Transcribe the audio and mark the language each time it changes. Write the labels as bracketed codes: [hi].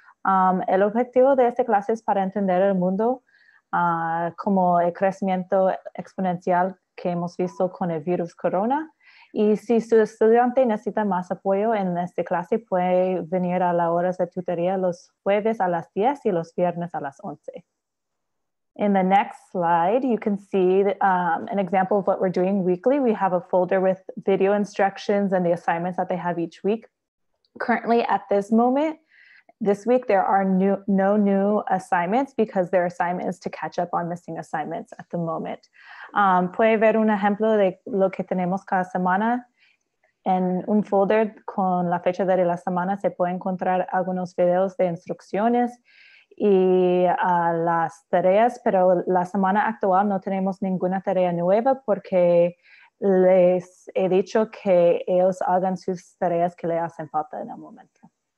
[es] El objetivo de esta clase es para entender el mundo como el crecimiento exponencial que hemos visto con el virus corona. Y si su estudiante necesita más apoyo en esta clase, puede venir a las horas de tutoría los jueves a las 10 y los viernes a las 11. [en] In the next slide, you can see an example of what we're doing weekly. We have a folder with video instructions and the assignments that they have each week. Currently, at this moment, this week, there are no new assignments because their assignment is to catch up on missing assignments at the moment. [es] Puede ver un ejemplo de lo que tenemos cada semana. En un folder con la fecha de la semana se puede encontrar algunos videos de instrucciones y las tareas, pero la semana actual no tenemos ninguna tarea nueva porque les he dicho que ellos hagan sus tareas que le hacen falta en el momento.